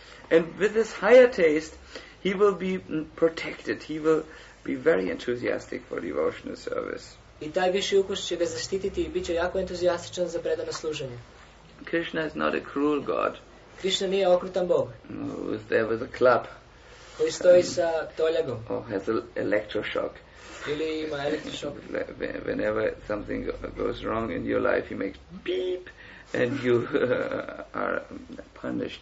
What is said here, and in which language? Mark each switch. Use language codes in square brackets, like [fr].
[en] And with this higher taste, he will be protected. He will be very enthusiastic for devotional service. [hr] I taj viši ukus će ga zaštititi i bit će jako entuzijastičan za predano služenje. [en] Krishna is not a cruel god. [hr] Krishna nije okrutan bog. [en] Who is there with a club? [hr] Koji stoji sa toljagom. [en] Oh, has an electroshock. [hr] Ili ima electroshock. [en] Whenever something goes wrong in your life, he makes beep and you are punished.